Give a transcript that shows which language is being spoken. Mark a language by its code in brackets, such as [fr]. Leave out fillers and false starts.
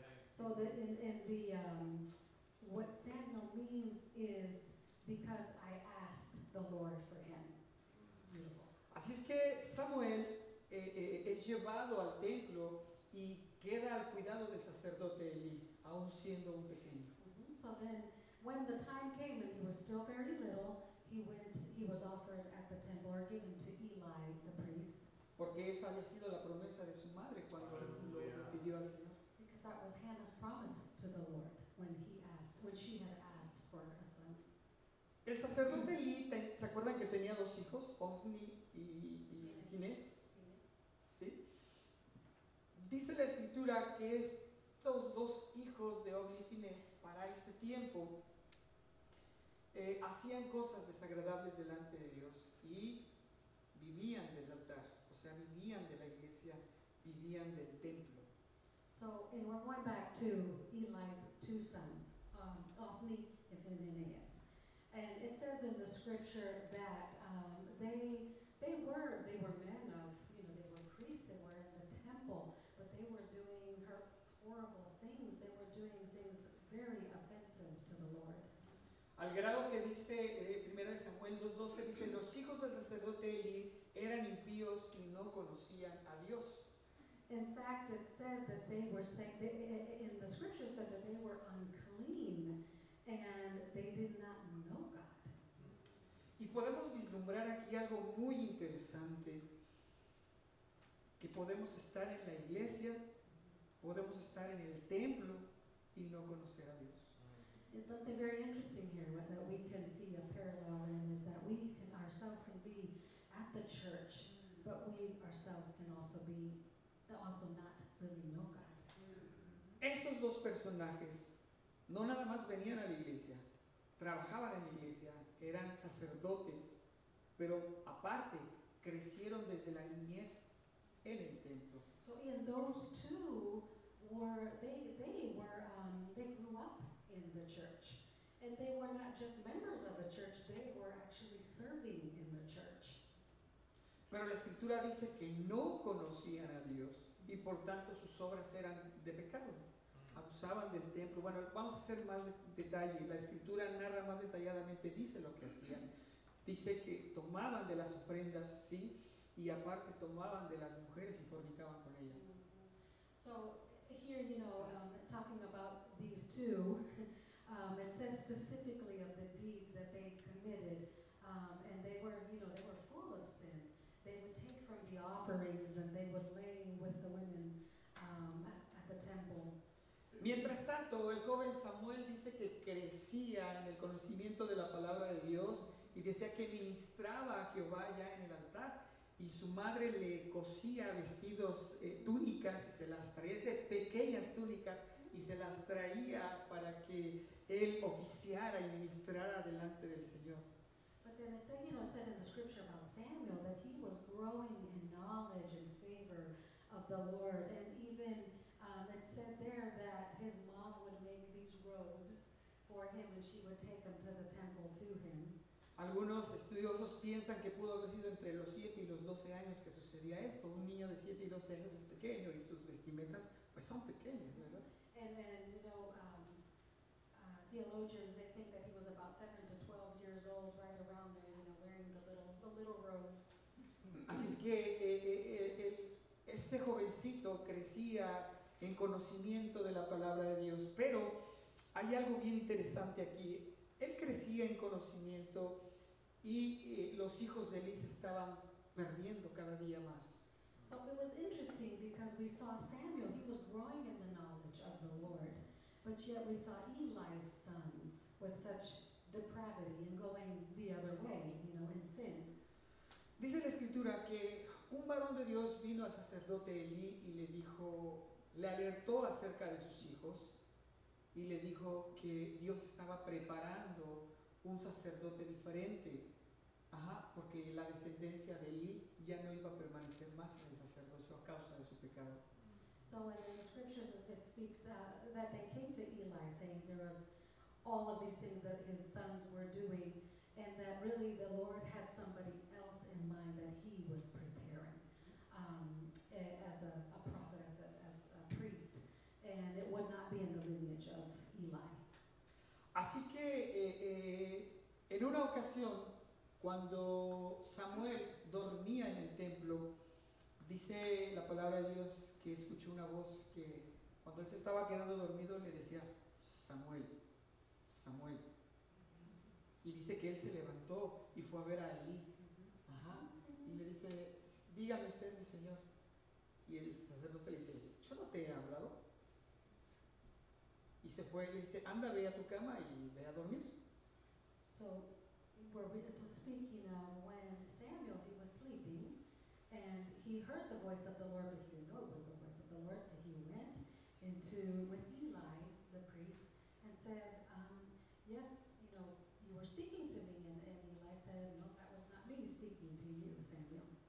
[en] So that in the what Samuel means is because I asked the Lord for him. Beautiful. [es] Así es que Samuel es llevado al templo y queda al cuidado del sacerdote Eli, aún siendo un pequeño. Mm-hmm. [en] So then, when the time came and he was still very little, he was offered at the temple or given to Eli the priest. [es] Porque esa había sido la promesa de su madre cuando lo pidió al Señor. [en] Because that was Hannah's promise to the Lord when she had asked for a son. [es] El sacerdote Eli, ¿se acuerdan que tenía dos hijos, Ofni y Phinehas? Sí. Dice la escritura que estos dos hijos de Ofni y Phinehas para este tiempo hacían cosas desagradables delante de Dios y vivían del altar, o sea, vivían de la iglesia, vivían del templo. [en] So, and we're going back to Eli's two sons, Ophni and Phinehas. And it says in the scripture that they were men of, you know, they were priests, they were in the temple, but they were doing horrible things. They were doing things very offensive to the Lord. [es] Al grado que dice 1 Samuel 2:12, dice, los hijos del sacerdote Eli eran impíos y no conocían a Dios. [en] In fact, it said that they were saying, they, in the scripture said that they were unclean and they did not know God. [es] Y podemos vislumbrar aquí algo muy interesante, que podemos estar en la iglesia, podemos estar en el templo y no conocer a Dios. [en] It's something very interesting here that we can see a parallel in is that we can ourselves can be at the church, but we ourselves can also be also not really know God. [es] Estos dos personajes no nada más venían a la iglesia, trabajaban en la iglesia, eran sacerdotes, pero aparte crecieron desde la niñez en el templo. [en] So in those two were they grew up in the church, and they were not just members of a church, they were actually serving in the church. [es] Pero la escritura dice que no conocían a Dios y por tanto sus obras eran de pecado, abusaban del templo. Bueno, vamos a hacer más detalle. La escritura narra más detalladamente, dice lo que hacían, dice que tomaban de las ofrendas, sí, y aparte tomaban de las mujeres y fornicaban con ellas. [en] So here, you know, talking about these two, it says specifically of the deeds that they committed, and they were, you know, they were full of sin. They would take from the offerings and they would lay with the women at the temple. [es] Mientras tanto, el joven Samuel dice que crecía en el conocimiento de la palabra de Dios y decía que ministraba a Jehová ya en el altar. Y su madre le cosía vestidos, túnicas, y se las traía, de pequeñas túnicas, y se las traía para que él oficiara y ministrara delante del Señor. [en] But then it said, you know, it said in the scripture about Samuel that he was growing in knowledge and favor of the Lord. And even it said there that his mom would make these robes for him and she would take them to the temple to him. [es] Algunos estudiosos piensan que pudo haber sido entre los 7 y los 12 años que sucedía esto. Un niño de 7 y 12 años es pequeño y sus vestimentas pues son pequeñas, ¿verdad? [en] And then, you know, theologians, they think that he was about 7 to 12 years old, right around there, you know, wearing the little robes. [es] Así es que este jovencito crecía en conocimiento de la palabra de Dios, pero hay algo bien interesante aquí. Él crecía en conocimiento y los hijos de Eli se estaban perdiendo cada día más. [en] So it was interesting because we saw Samuel, he was growing in the knowledge of the Lord, but yet we saw Eli's sons with such depravity and going the other way, you know, in sin. [es] Dice la escritura que un varón de Dios vino al sacerdote Eli y le dijo, le alertó acerca de sus hijos. Y le dijo que Dios estaba preparando un sacerdote diferente. Ajá, porque la descendencia de Eli ya no iba a permanecer más en el sacerdocio a causa de su pecado. [en] So in the scriptures it speaks that they came to Eli saying there was all of these things that his sons were doing and that really the Lord had somebody else in mind that he was preparing as a prophet, as a priest. And it would not be in the lineage of Eli. [es] Así que en una ocasión, cuando Samuel dormía en el templo, dice la palabra de Dios que escuchó una voz que cuando él se estaba quedando dormido le decía, Samuel, Samuel. Y dice que él se levantó y fue a ver a Eli. Ajá. Y le dice, dígame usted, mi señor. Y el sacerdote le dice, yo no te he hablado. Y se fue y le dice, anda, ve a tu cama y ve a dormir. [en] So, we're speaking of when Samuel, he was sleeping, and he heard the voice of the Lord, but he didn't know it was the voice of the Lord, so he went into with Eli, the priest, and said, yes, you know, you were speaking to me, and Eli said, no, that was not me speaking to you, Samuel.